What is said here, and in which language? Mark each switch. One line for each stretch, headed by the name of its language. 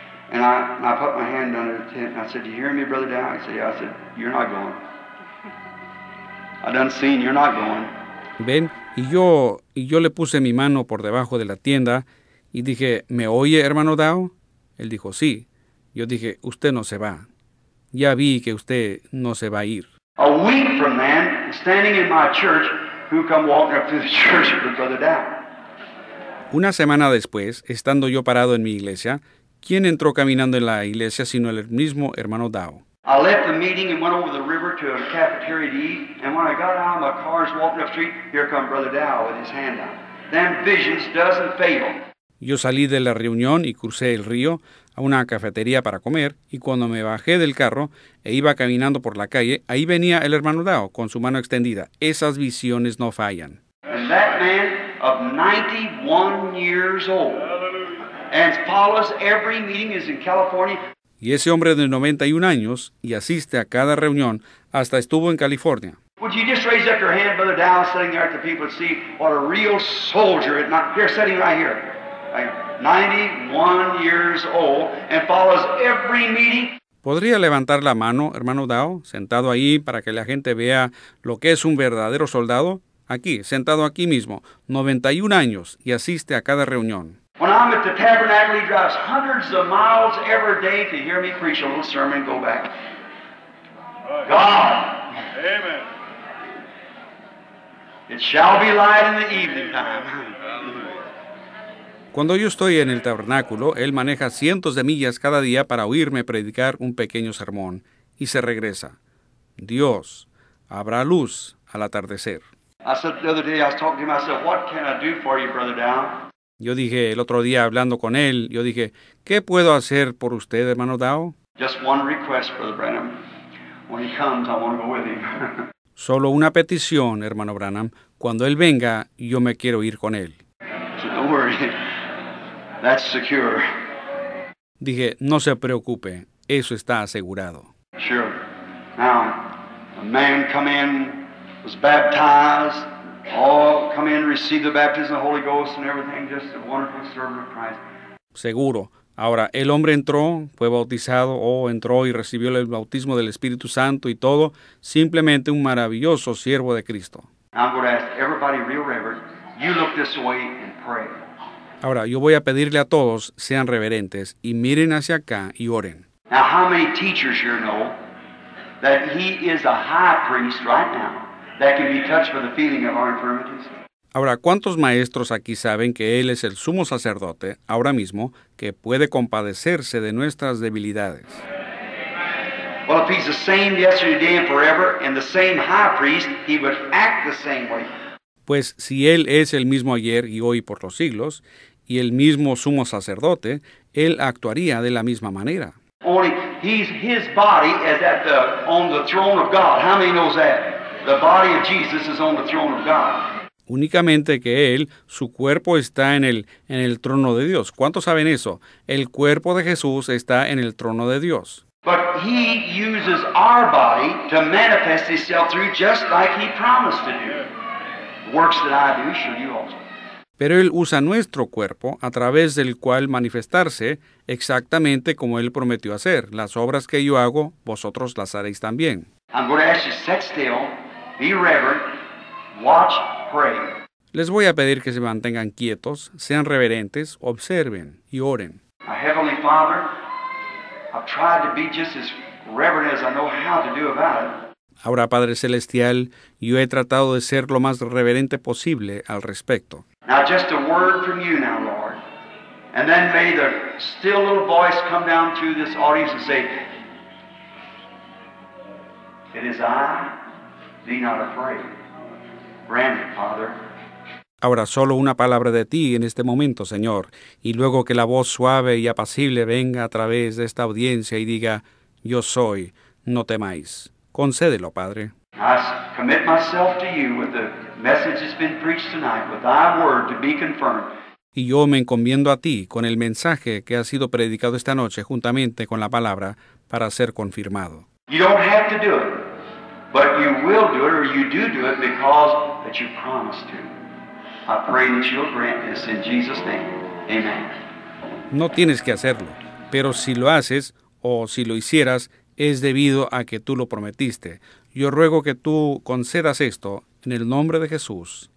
English: And I put my hand under the tent, and I said, you hear me, Brother Dow? He said, yeah. I said, you're not going. I done seen, you're not going.
Spanish: Ven, y yo le puse mi mano por debajo de la tienda, y dije, ¿me oye, hermano Dow? Él dijo, sí. Yo dije, usted no se va. Ya vi que usted no se va a ir.
English: A week from then, standing in my church, who come walking up to the church with Brother Dow?
Spanish: Una semana después, estando yo parado en mi iglesia, ¿quién entró caminando en la iglesia sino el mismo hermano Dow?
English: I left the meeting and went over the river to a cafeteria to eat, and when I got out of my car, walking up the street, here come Brother Dow with his hand out. Then visions doesn't fail.
Spanish: Yo salí de la reunión y crucé el río a una cafetería para comer, y cuando me bajé del carro e iba caminando por la calle, ahí venía el hermano Dow con su mano extendida. Esas visiones no fallan.
English: And that man of 91 years old, and follows every meeting is in California.
Spanish: Y ese hombre de 91 años y asiste a cada reunión, hasta estuvo en California.
English: Would you just raise up your hand, Brother Dow, sitting there at the people to see what a real soldier is not here sitting right here. 91 years old and follows every meeting.
Spanish: ¿Podría levantar la mano, hermano Dow, sentado ahí para que la gente vea lo que es un verdadero soldado? Aquí, sentado aquí mismo, 91 años y asiste a cada reunión.
English: When I'm at the tabernacle, he drives hundreds of miles every day to hear me preach a little sermon and go back. God. Amen. It shall be light in the evening time.
Spanish: Cuando yo estoy en el tabernáculo, él maneja cientos de millas cada día para oírme predicar un pequeño sermón y se regresa. Dios, habrá luz al atardecer.
English: I said the other day, I was talking to him, I said, what can I do for you, Brother Down?
Spanish: Yo dije, el otro día hablando con él, yo dije, ¿qué puedo hacer por usted, hermano Dow?
English: Just one request, Brother Branham. When he comes, I want to go with him.
Spanish: Solo una petición, hermano Branham. Cuando él venga, yo me quiero ir con él.
English: So don't worry. That's secure.
Spanish: Dije, no se preocupe, eso está asegurado.
English: Sure. Now, a man come in, was baptized. All come in, receive the baptism of the Holy Ghost and everything, just a wonderful servant of Christ.
Spanish: Seguro. Ahora, el hombre entró, fue bautizado, entró y recibió el bautismo del Espíritu Santo y todo, simplemente un maravilloso siervo de Cristo.
English: I'm going to ask everybody real reverent, you look this way and pray.
Spanish: Ahora, yo voy a pedirle a todos, sean reverentes, y miren hacia acá y oren.
English: Now, how many teachers here know that he is a high priest right now? That can be touched by the feeling of our infirmities.
Spanish: Ahora, ¿cuántos maestros aquí saben que él es el sumo sacerdote ahora mismo que puede compadecerse de nuestras debilidades?
English: Well, if he's the same yesterday, today, and forever, and the same high priest, he would act the same way.
Spanish: Pues si él es el mismo ayer y hoy por los siglos y el mismo sumo sacerdote, él actuaría de la misma manera.
English: Only he's his body is at the on the throne of God. How many knows that? The body of Jesus is on the throne of God.
Spanish: Únicamente que él, su cuerpo está en el trono de Dios. ¿Cuántos saben eso? El cuerpo de Jesús está en el trono de Dios.
English: But he uses our body to manifest himself through just like he promised to do. Works that I do, show you also.
Spanish: Pero él usa nuestro cuerpo a través del cual manifestarse exactamente como él prometió hacer. Las obras que yo hago, vosotros las haréis también.
English: I'm going to ask you, set still, be reverent, watch, pray.
Spanish: Les voy a pedir que se mantengan quietos, sean reverentes, observen y oren.
English: My Heavenly Father, I've tried to be just as reverent as I know how to do about it.
Spanish: Ahora, Padre Celestial, yo he tratado de ser lo más reverente posible al respecto.
English: Now just a word from you now, Lord. And then may the still little voice come down through this audience and say, it is I, be not afraid. Grant it, Father.
Spanish: Ahora, solo una palabra de ti en este momento, Señor. Y luego que la voz suave y apacible venga a través de esta audiencia y diga, yo soy, no temáis. Concédelo, Padre.
English: I commit myself to you with the message that's been preached tonight, with thy word to be confirmed.
Spanish: Y yo me encomiendo a ti con el mensaje que ha sido predicado esta noche juntamente con la palabra para ser confirmado.
English: You don't have to do it, but you will do it, or you do do it because that you promised to. I pray that you'll grant this in Jesus' name. Amen.
Spanish: No tienes que hacerlo, pero si lo haces o si lo hicieras, es debido a que tú lo prometiste. Yo ruego que tú concedas esto en el nombre de Jesús.